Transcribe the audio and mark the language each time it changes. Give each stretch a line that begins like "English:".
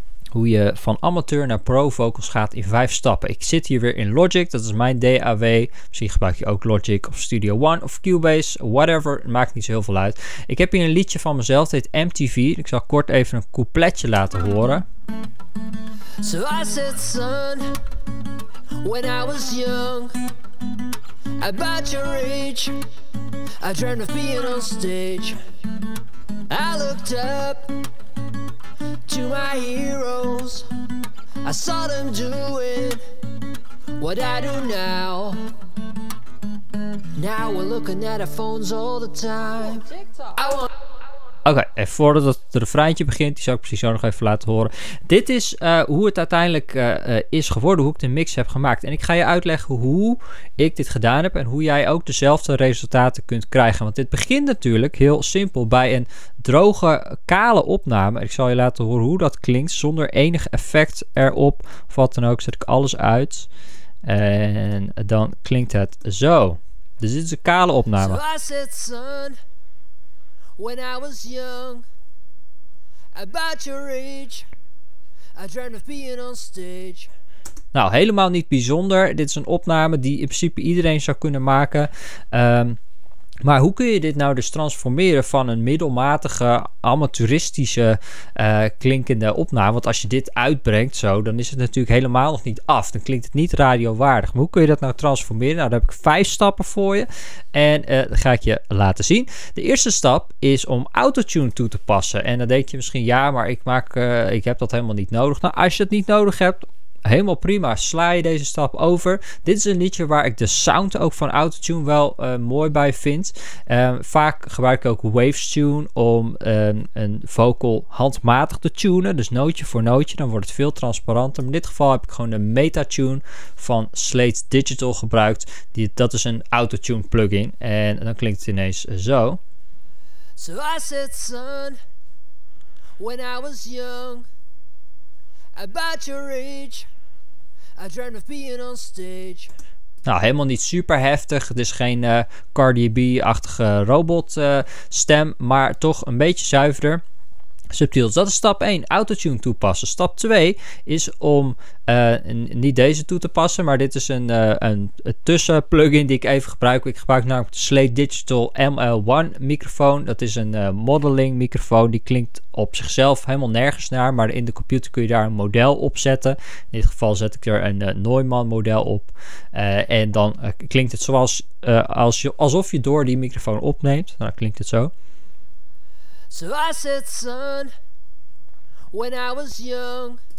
Dutch: Hoe je van amateur naar pro vocals gaat in 5 stappen. Ik zit hier weer in Logic, dat is mijn DAW. Misschien gebruik je ook Logic of Studio One of Cubase, whatever, maakt niet zo heel veel uit. Ik heb hier een liedje van mezelf, het heet MTV. Ik zal kort even een coupletje laten horen.
English: So I said, son, when I was young, about your age, I dreamt of being on stage. I looked up, my heroes. I saw them do it, what I do now. Now we're looking at our phones all the time. I want.
Dutch: Oké, okay, en voordat het refreintje begint, die zou ik precies zo nog even laten horen. Dit is hoe het uiteindelijk is geworden, hoe ik de mix heb gemaakt. En ik ga je uitleggen hoe ik dit gedaan heb en hoe jij ook dezelfde resultaten kunt krijgen. Want dit begint natuurlijk heel simpel bij een droge, kale opname. Ik zal je laten horen hoe dat klinkt zonder enig effect erop. Wat dan ook, zet ik alles uit. En dan klinkt het zo. Dus dit is een kale opname.
English: So when I was young, about your age, I dreamt of being on stage.
Dutch: Nou, helemaal niet bijzonder. Dit is een opname die in principe iedereen zou kunnen maken. Maar hoe kun je dit nou dus transformeren van een middelmatige, amateuristische klinkende opname? Want als je dit uitbrengt zo, dan is het natuurlijk helemaal nog niet af. Dan klinkt het niet radiowaardig. Maar hoe kun je dat nou transformeren? Nou, daar heb ik 5 stappen voor je. En dat ga ik je laten zien. De eerste stap is om autotune toe te passen. En dan denk je misschien, ja, maar ik heb dat helemaal niet nodig. Nou, als je dat niet nodig hebt, helemaal prima, sla je deze stap over. Dit is een liedje waar ik de sound ook van autotune wel mooi bij vind. Vaak gebruik ik ook wavestune om een vocal handmatig te tunen. Dus nootje voor nootje, dan wordt het veel transparanter. In dit geval heb ik gewoon de metatune van Slate Digital gebruikt. Dat is een autotune plugin. En dan klinkt het ineens zo.
English: So I said, son, when I was young, about your age, I dreamt of being on stage.
Dutch: Nou, helemaal niet super heftig. Het is geen Cardi B-achtige robotstem. Maar toch een beetje zuiverder. Subtiel. Dus dat is stap 1. Autotune toepassen. Stap 2 is om niet deze toe te passen. Maar dit is een tussenplugin die ik even gebruik. Ik gebruik namelijk de Slate Digital ML1 microfoon. Dat is een modeling microfoon. Die klinkt op zichzelf helemaal nergens naar. Maar in de computer kun je daar een model op zetten. In dit geval zet ik er een Neumann model op. En dan klinkt het zoals alsof je door die microfoon opneemt. Nou, dan klinkt het zo.
English: So I said, son, when I was young.